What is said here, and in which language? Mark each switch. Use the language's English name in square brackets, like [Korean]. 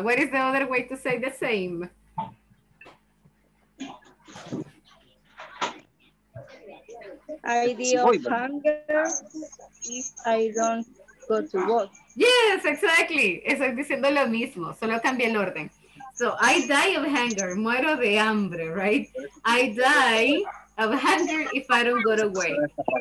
[English] What is the other way to say the same? I die of hunger if I don't go to work. Yes, exactly. [Spanish] Estoy diciendo lo mismo, solo cambié el orden. [English] So, I die of hunger. [Spanish] Muero de hambre, [English] right? I die of hunger if I don't go to work.